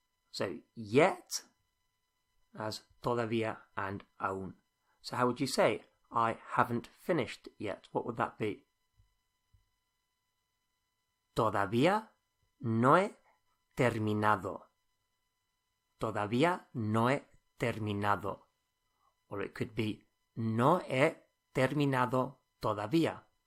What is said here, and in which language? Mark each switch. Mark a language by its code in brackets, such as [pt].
[en] So yet as todavía and aún. So how would you say I haven't finished yet? What would that be? [es] Todavía no he terminado. Todavía no he terminado. [en] Or it could be [es] no he terminado todavía.